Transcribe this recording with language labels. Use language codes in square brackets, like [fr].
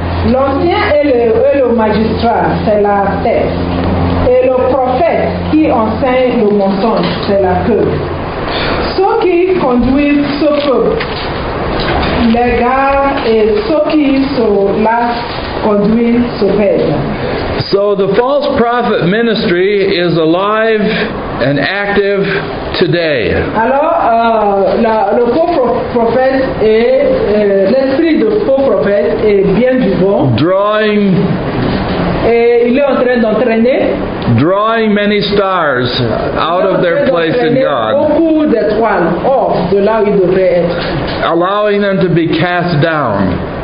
[fr] L'ancien est le magistrat, c'est la tête. Et le prophète qui enseigne le mensonge, c'est la queue. Ceux qui conduisent ce peuple, les gars et ceux qui se lassent conduisent ce peuple. [en] So the false prophet ministry is alive and active today. [fr] Alors, le faux prophète et l'esprit de faux prophète est bien vivant. [en] Drawing. [fr] Et il est en train d'entraîner. [en] Drawing many stars out of their place in God. [fr] Beaucoup d'étoiles hors de là où ils devraient être. [en] Allowing them to be cast down.